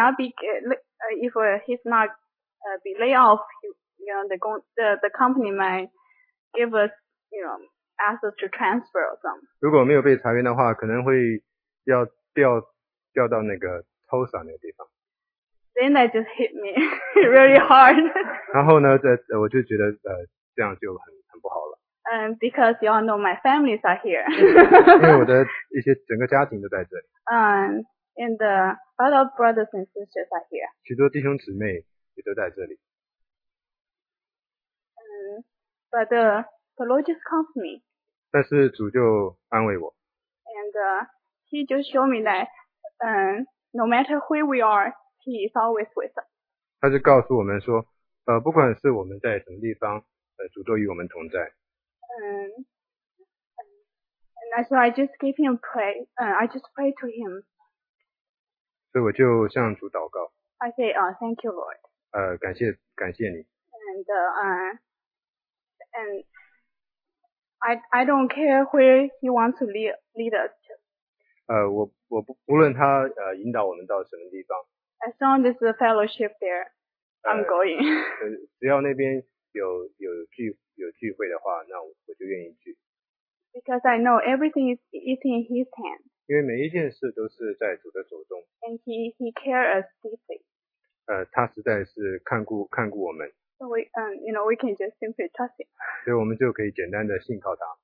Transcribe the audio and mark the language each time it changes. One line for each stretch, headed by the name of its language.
English: If he's not be laid off, you know, the company might give us, you know, ask us to transfer or something.
Chinese: 如果没有被裁员的话，可能会要调到那个 Tulsa 那个地方。
English: Then that just hit me really hard.
Chinese: 然后呢，我就觉得这样就很不好了。
English: Because you all know my families are here.
Chinese: 因为我的一些整个家庭都在这里。
English: And a lot of brothers and sisters are here.
Chinese: 许多弟兄姊妹也都在这里。
English: But the Lord just comforted me.
Chinese: 但是主就安慰我。
English: And he just showed me that no matter who we are, he is always with us.
Chinese: 他就告诉我们说，不管是我们在什么地方，主都与我们同在。
English: So I just gave him pray. I just pray to him.
Chinese: 所以我就向主祷告。
English: I say, thank you, Lord.
Chinese: 感谢你。
English: And I don't care where he wants to lead us to.
Chinese: 我不论他引导我们到什么地方。
English: As long as the fellowship there, I'm going.
Chinese: 只要那边有聚会的话，那我就愿意去。
English: Because I know everything is in His hand.
Chinese: 因为每一件事都是在主的手中。
English: And He cares us deeply.
Chinese: 他实在是看顾我们。
English: So we can just simply trust Him.
Chinese: 所以我们就可以简单的信靠他。